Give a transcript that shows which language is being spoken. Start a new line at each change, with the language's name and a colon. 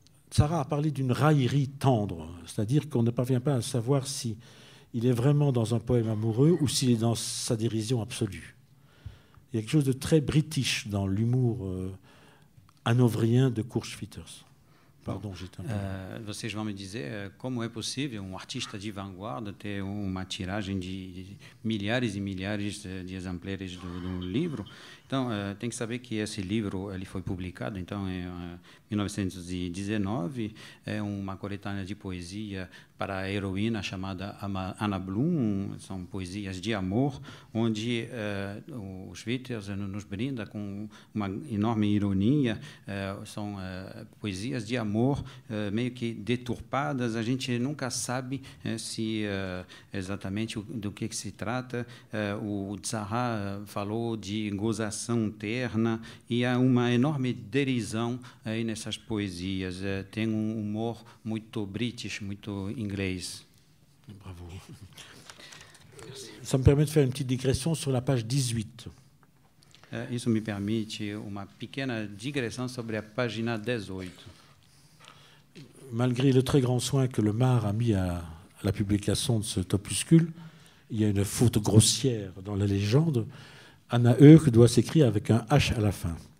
French: Sarah a parlé d'une raillerie tendre, c'est-à-dire qu'on ne parvient pas à savoir s'il est vraiment dans un poème amoureux ou s'il est dans sa dérision absolue. Il y a quelque chose de très british dans l'humour. Hanovrien de Kurt Schwitters. Pardon, bon, j'étais un peu...
Portuguese: Vocês vão me dizer como é possível um artista de vanguarda ter uma tiragem de milhares e milhares de exemplares do livro. Então, tem que saber que esse livro ele foi publicado então, em 1919. É uma coletânea de poesia para a heroína chamada Anna Blum. São poesias de amor, onde o Schwitters nos brinda com uma enorme ironia. São poesias de amor meio que deturpadas. A gente nunca sabe se exatamente do que se trata. O Tzara falou de gozação terna, e há uma enorme derisão aí nessas poesias. Tem um humor muito british, muito inglês. Bravo.
French: Ça me permet de faire une petite digression sur la page 18.
Portuguese: Isso me permite uma pequena digressão sobre a página 18.
French: Malgré le très grand soin que le Mar a mis à la publication de cet opuscule, il y a une faute grossière dans la légende. Anna Eug doit s'écrire avec un H à la fin.